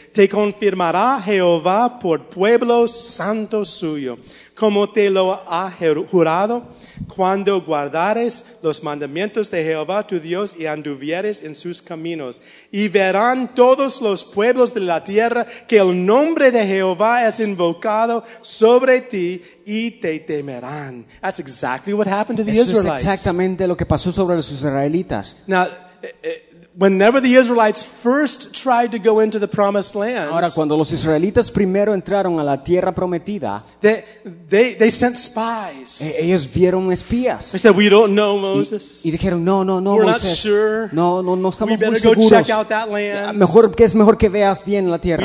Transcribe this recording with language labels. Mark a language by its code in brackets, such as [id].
[es] Te confirmará Jehová por pueblo santo suyo, como te lo ha jurado, cuando guardares los mandamientos de Jehová tu Dios y anduvieres en sus caminos. Y verán todos los pueblos de la tierra que el nombre de Jehová es invocado sobre ti y te temerán. [en] That's exactly what happened to the Israelites. [es] Eso es exactamente lo que pasó sobre los israelitas. [en] Now, whenever the Israelites first tried to go into the promised land, [es] ahora cuando los israelitas primero entraron a la tierra prometida, [en] they sent spies. [es] Ellos vieron espías. [en] They said, "We don't know Moses." [es] Y dijeron, "No, [en] we're Moses. We're not sure. [es] No estamos seguros. [en] We better go check out that land. [es] Mejor que es mejor que veas bien la tierra.